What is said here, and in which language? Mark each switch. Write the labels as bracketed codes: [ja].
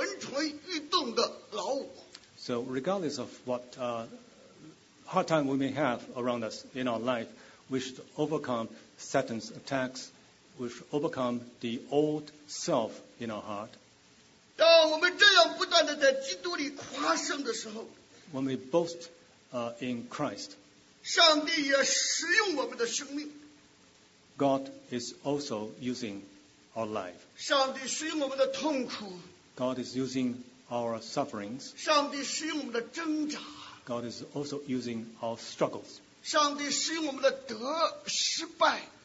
[zh] 我们都能够靠着主的恩典，胜过世界的诱惑，胜过撒旦的攻击，胜过蠢蠢欲动的老我。So [en] regardless of what hard time we may have around us in our life, we should overcome Satan's attacks, we should overcome the old self in our heart. [zh] 当我们这样不断地在基督里夸胜的时候， [en] When we boast in Christ, [zh] 上帝也使用我们的生命。 [en] God is also using our life. [zh] 上帝使用我们的痛苦。 [en] God is using our sufferings. [zh] 上帝使用我们的挣扎。 [en] God is also using our struggles. [zh] 上帝使用我们的失败。